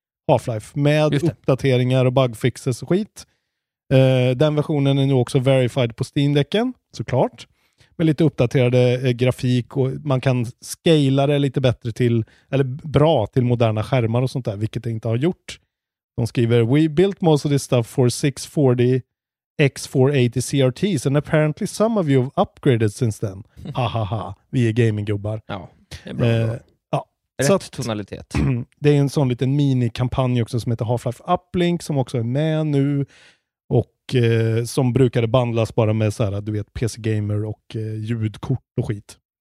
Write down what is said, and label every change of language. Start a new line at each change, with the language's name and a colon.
Swedish: Half-Life med uppdateringar och bugfixes och skit. Den versionen är nu också verified på Steam-decken, såklart. Med lite uppdaterade grafik och man kan scala det lite bättre till, eller bra till moderna skärmar och sånt där, vilket det inte har gjort. De skriver,
English: we built most of this stuff for 640x480 CRTs and apparently some of you have upgraded since then.
Swedish: Hahaha, vi är gaminggubbar. Ja, det är bra. Rätt tonalitet. Det är en sån liten minikampanj också som heter Half-Life Uplink som också är med nu och som brukade bandlas bara med så här, du vet, PC Gamer och ljudkort och skit.